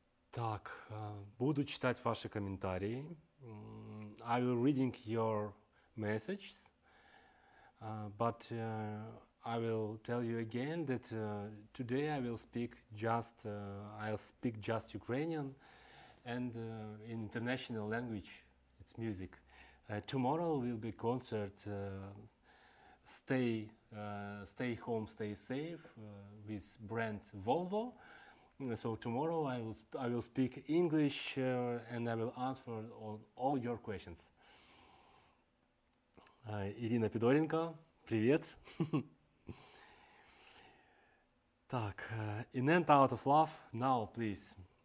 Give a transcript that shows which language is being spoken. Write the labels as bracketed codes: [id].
[ru] Так, буду читать ваши комментарии. [en] I will reading your messages, but I will tell you again that today I will speak just Ukrainian, and in international language, it's music. Tomorrow will be concert. Stay home, stay safe with brand Volvo. So tomorrow I will speak English and I will answer all your questions. [ru] Ирина Пидоренко, привет. Так, [en] in and out of love, now please.